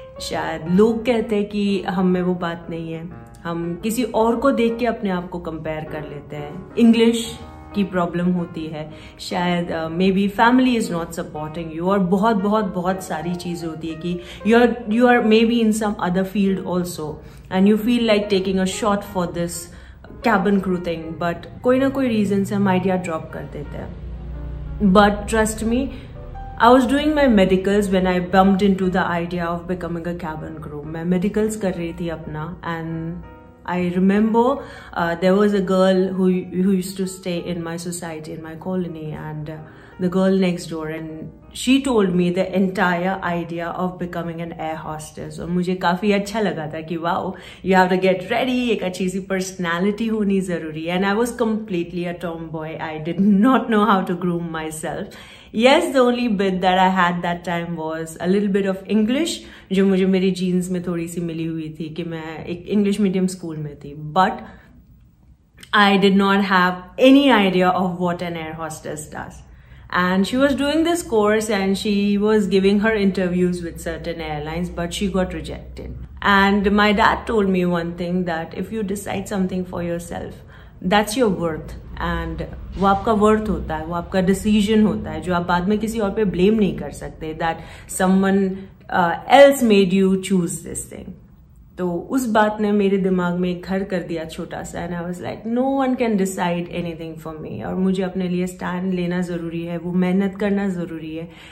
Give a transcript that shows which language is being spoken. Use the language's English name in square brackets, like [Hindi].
[Hindi] शायद लोग कहते हैं कि हम में वो बात नहीं है, हम किसी और को देख के अपने आप को कंपेयर कर लेते हैं, इंग्लिश की प्रॉब्लम होती है, शायद [English] maybe family is not supporting you, [Hindi] और बहुत बहुत बहुत सारी चीज़ें होती है कि [English] you are maybe in some other field also and you feel like taking a shot for this cabin crew thing, [Hindi] but कोई ना कोई रीजन से हम आइडिया ड्रॉप कर देते हैं. [English] But trust me, I was doing my medicals when I bumped into the idea of becoming a cabin crew. [Hindi] मैं medicals कर रही थी अपना, [English] And I remember there was a girl who used to stay in my society, in my colony, and the girl next door, and she told me the entire idea of becoming an air hostess. [Hindi] और मुझे काफ़ी अच्छा लगा था कि wow, you have to get ready, एक अच्छी सी personality होनी ज़रूरी है. [English] And I was completely a tomboy, I did not know how to groom myself. Yes, the only bit that I had that time was a little bit of English, [Hindi] जो मुझे मेरी jeans में थोड़ी सी मिली हुई थी कि मैं एक इंग्लिश मीडियम स्कूल में थी. [English] But I did not have any idea of what an air hostess does. And she was doing this course and she was giving her interviews with certain airlines, but she got rejected. And my dad told me one thing, that if you decide something for yourself, that's your worth. [Hindi] And वो आपका worth होता है, वो आपका decision होता है, जो आप बाद में किसी और पे blame नहीं कर सकते, [English] that someone else made you choose this thing. [Hindi] तो उस बात ने मेरे दिमाग में घर कर दिया छोटा सा, [English] and I was like no one can decide anything for me, [Hindi] और मुझे अपने लिए स्टैंड लेना जरूरी है, वो मेहनत करना जरूरी है.